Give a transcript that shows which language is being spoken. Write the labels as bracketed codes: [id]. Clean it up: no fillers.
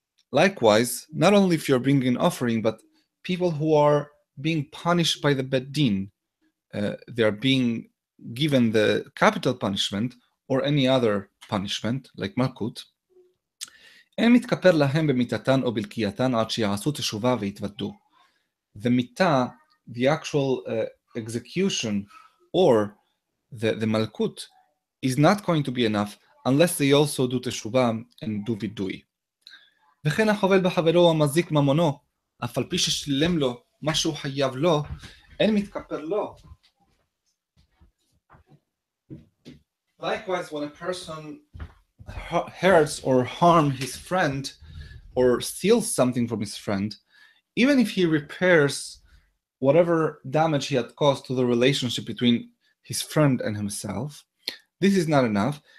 [en] Likewise, not only if you're bringing an offering, but people who are being punished by the Bet Din, they are being given the capital punishment or any other punishment, like Malkut. [he] אין מתכפר להם במיטתן או בלקייתן עד שיעשו תשובה ויתוודו. [en] The mita, the actual execution, or the malkut, is not going to be enough unless they also do teshuva and do vidui. [he] וכן החובל בחברו המזיק ממונו, אף על פי ששילם לו מה שהוא חייב לו, אין מתכפר לו. [en] Likewise, when a person hurts or harms his friend or steals something from his friend, even if he repairs whatever damage he had caused to the relationship between his friend and himself, this is not enough.